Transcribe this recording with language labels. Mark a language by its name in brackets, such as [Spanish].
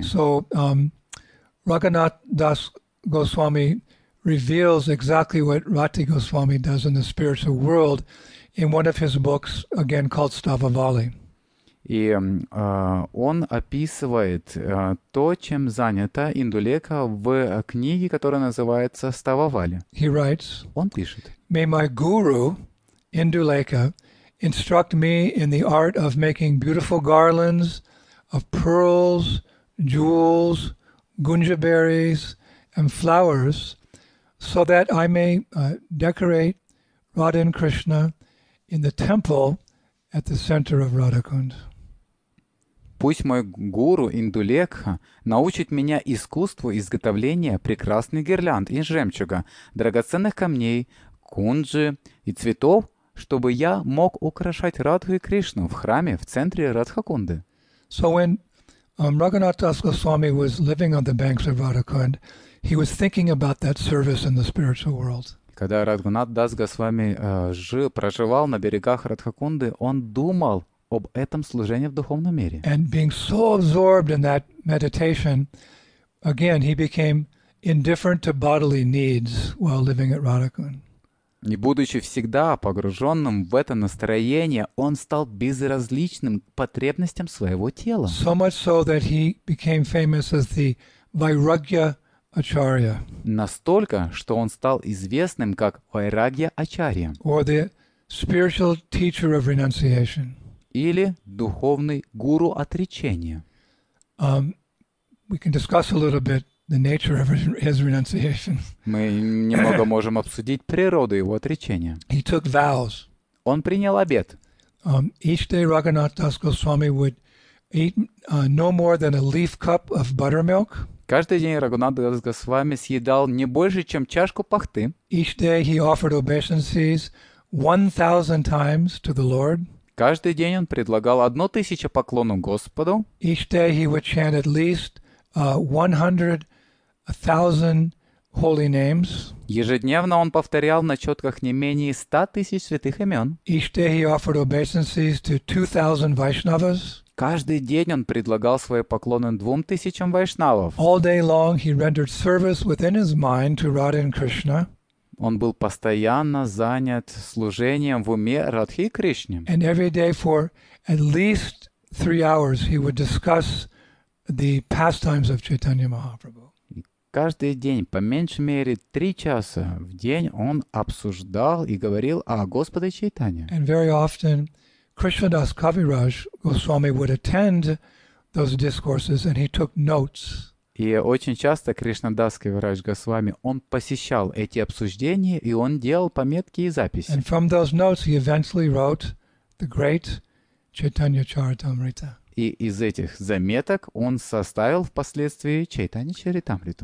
[English] So Рагхунатх Дас Госвами reveals exactly what Рати Госвами does in the spiritual world in one of his books, again called Stavavali. [Russian] И он описывает то, чем занята Индулека в книге, которая называется «Стававали». [English] He writes, [Russian] он пишет. [English] May my guru, Induleka, instruct me in the art of making beautiful garlands of pearls, jewels, gunja berries, and flowers, so that I may decorate Radha and Krishna in the temple at the center of Radhakund. [Russian] Пусть мой гуру Индулекха научит меня искусству изготовления прекрасных гирлянд из жемчуга, драгоценных камней, кунджи и цветов, чтобы я мог украшать Радху и Кришну в храме в центре Радхакунды. [English] So when Рагхунатх Дас Госвами was living on the banks of Radhakund, he was thinking about that service in the spiritual world. [Russian] Когда Рагхунатх Дас Госвами проживал на берегах Радхакунды, он думал об этом служении в духовном мире. [English] And being so absorbed in that meditation, again, he became indifferent to bodily needs while living at Radhakund. [Russian] Не будучи всегда погруженным в это настроение, он стал безразличным к потребностям своего тела. [English] So much so that he became famous as the Vairagya Acharya. [Russian] Настолько, что он стал известным как Vairagya Acharya. [English] Or the spiritual teacher of renunciation. [Russian] Или духовный гуру отречения. [English] We can discuss a little bit the nature of his renunciation. [Russian] Мы немного можем обсудить природу его отречения. [English] He took vows. [Russian] Он принял обет. [English] Each day Рагхунатх Дас Госвами would eat no more than a leaf cup of buttermilk. [Russian] Каждый день Рагхунатх Дас Госвами съедал не больше, чем чашку пахты. [English] Each day he offered obeisances 1,000 times to the Lord. [Russian] Каждый день он предлагал 1000 поклонов Господу. [English] Each day he would chant at least 100,000 holy names. [Russian] Ежедневно он повторял на четках не менее 100 000 святых имен. [English] Each day he offered obeisances to 2,000 Vaishnavas. [Russian] Каждый день он предлагал свои поклоны 2,000 вайшнавов. [English] All day long he rendered service within his mind to Radha and Krishna. [Russian] Он был постоянно занят служением в уме Радхи и Кришне. [English] And every day for at least 3 hours he would discuss the pastimes of Chaitanya Mahaprabhu. [Russian] Каждый день, по меньшей мере 3 часа в день, он обсуждал и говорил о Господе Чайтане. [English] And very often Krishnadas Kaviraj Goswami would attend those discourses and he took notes. [Russian] И очень часто Кришнадас Кавирадж Госвами, он посещал эти обсуждения, и он делал пометки и записи. [English] And from those notes he eventually wrote the great Chaitanya Charitamrita. [Russian] И из этих заметок он составил впоследствии Чайтанья Чаритамриту.